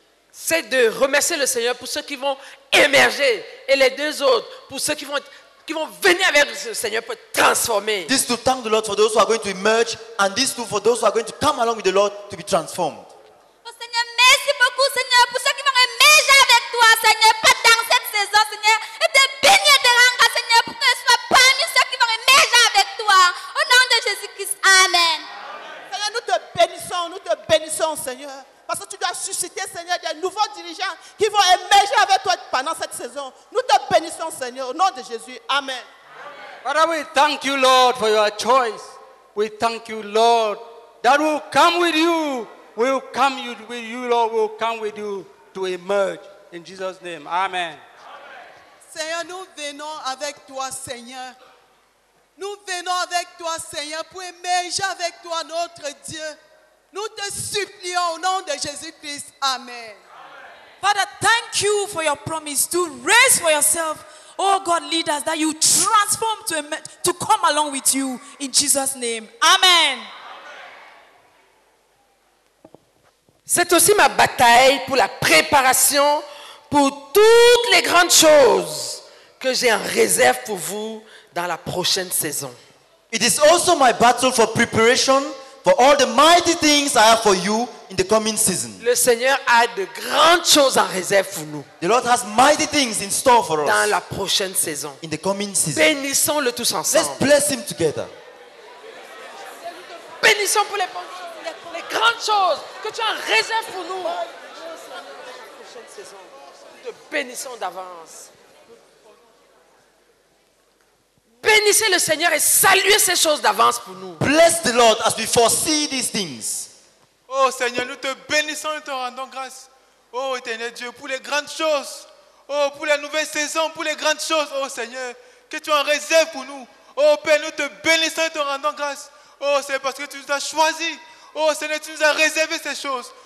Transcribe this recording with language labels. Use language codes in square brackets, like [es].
[fr] c'est de remercier le Seigneur pour ceux qui vont émerger et les deux autres pour ceux qui vont venir avec le Seigneur pour transformer. [en] This to thank the Lord for those who are going to emerge and this to for those who are going to come along with the Lord to be transformed. [fr] Oh Seigneur, merci beaucoup Seigneur pour ceux qui vont émerger avec toi Seigneur pendant cette saison Seigneur et de bénir de rendre Seigneur pour qu'ils soient parmi ceux qui vont émerger avec toi au nom de Jésus-Christ. Amen. Seigneur, nous te bénissons Seigneur. Parce que tu dois susciter, Seigneur, des nouveaux dirigeants qui vont émerger avec toi pendant cette saison. Nous te bénissons, Seigneur, au nom de Jésus. Amen. [en] Father, we thank you, Lord, for your choice. We thank you, Lord, that we'll come with you. We'll come with you, Lord. We'll come with you to emerge. In Jesus' name, amen. Amen. [fr] Seigneur, nous venons avec toi, Seigneur. Nous venons avec toi, Seigneur, pour émerger avec toi, notre Dieu. Nous te supplions au nom de Jésus-Christ. Amen. [en] Father, thank you for your promise to raise for yourself, oh God, leaders, that you transform to come along with you in Jesus' name. Amen. [fr] C'est aussi ma bataille pour la préparation pour toutes les grandes choses que j'ai en réserve pour vous dans la prochaine saison. [en] It is also my battle for preparation for all the mighty things I have for you in the coming season. [fr] Le Seigneur a de grandes choses en réserve pour nous. [en] The Lord has mighty things in store for [fr] dans [en] us. [fr] Dans la prochaine saison. [en] In the coming season. [fr] Bénissons-le tous ensemble. [en] Let's bless him together. [fr] Bénissons pour les grandes choses que tu as en réserve pour nous. Te bénissons d'avance. Bénissez le Seigneur et saluez ces choses d'avance pour nous. [en] Bless the Lord as we foresee these things. [fr] Oh Seigneur, nous te bénissons et te rendons grâce. Oh éternel Dieu, pour les grandes choses. Oh, pour la nouvelle saison, pour les grandes choses. Oh Seigneur, que tu en réserves pour nous. Oh Père, nous te bénissons et te rendons grâce. Oh Seigneur, parce que tu nous as choisi. Oh Seigneur, tu nous as réservé ces choses.